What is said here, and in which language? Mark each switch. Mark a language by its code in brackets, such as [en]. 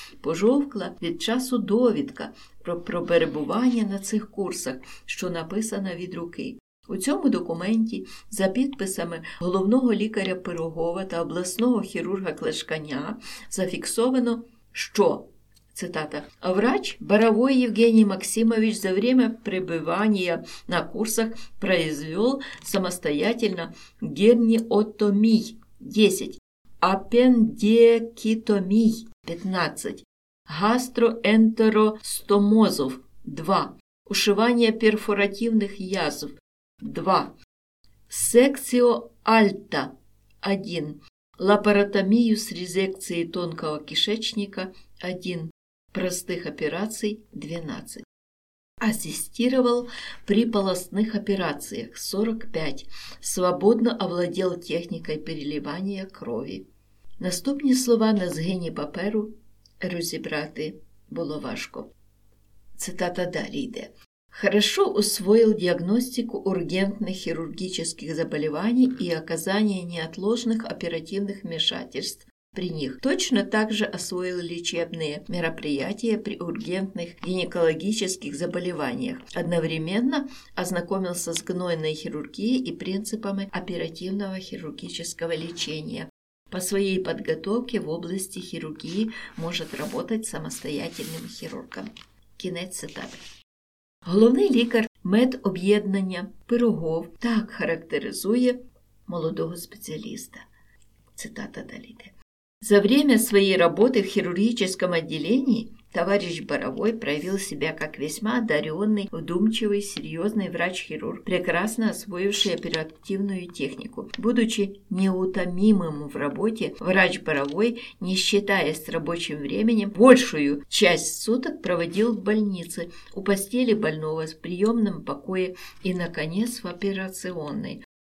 [uk] Пожовкла від часу довідка про перебування на цих курсах, що написана від руки. У цьому документі за підписами головного лікаря Пирогова та обласного хірурга Клешканя зафіксовано, що... Цитата. [ru] Врач Боровой Евгений Максимович за время пребывания на курсах произвел самостоятельно гернеотомий 10, аппендектомий 15, гастроэнтеростомозов 2, ушивание перфоративных язв 2, секцио альта 1, лапаротомию с резекцией тонкого кишечника 1. Простых операций 12. Ассистировал при полостных операциях 45. Свободно овладел техникой переливания крови. [uk] Наступні слова на згині паперу розібрати було важко. Цитата далі йде. [ru] Хорошо усвоил диагностику ургентных хирургических заболеваний и оказание неотложных оперативных вмешательств. При них точно так же освоил лечебные мероприятия при ургентных гинекологических заболеваниях. Одновременно ознакомился с гнойной хирургией и принципами оперативного хирургического лечения. По своей подготовке в области хирургии может работать самостоятельным хирургом. [uk] Кінець цитати. Головний лікар медоб'єднання Пирогов так характеризує молодого спеціаліста. Цитата далі йде. [ru] За время своей работы в хирургическом отделении товарищ Боровой проявил себя как весьма одаренный, вдумчивый, серьезный врач-хирург, прекрасно освоивший оперативную технику. Будучи неутомимым в работе, врач Боровой, не считаясь с рабочим временем, большую часть суток проводил в больнице, у постели больного, в приемном покое и, наконец, в операционной.